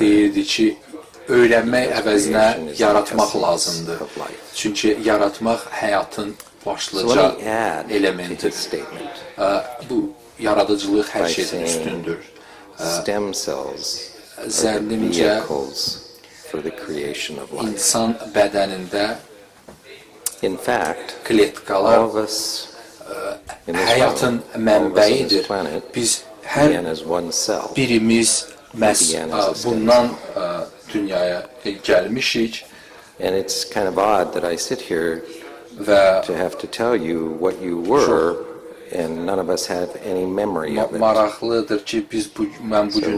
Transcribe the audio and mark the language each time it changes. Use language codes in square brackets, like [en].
[az] Deyirdi ki, öyrənmək əvəzinə yaratmaq lazımdır. Çünki yaratmaq həyatın başlıca elementidir. Bu yaradıcılıq hər şeydən üstündür. [en] Stem cells are vehicles for the creation of life. [az] İnsan bədənində, [en] in fact, [az] klitkalar, [en] all of us in this [az] həyatın mənbəyidir. Biz hər birimiz məhz bundan dünyaya gelmişik. [en] And it's kind of odd that I sit here to have to tell you what you were, and none of us have any memory of it. [az] Maraqlıdır ki biz bu, mən bugün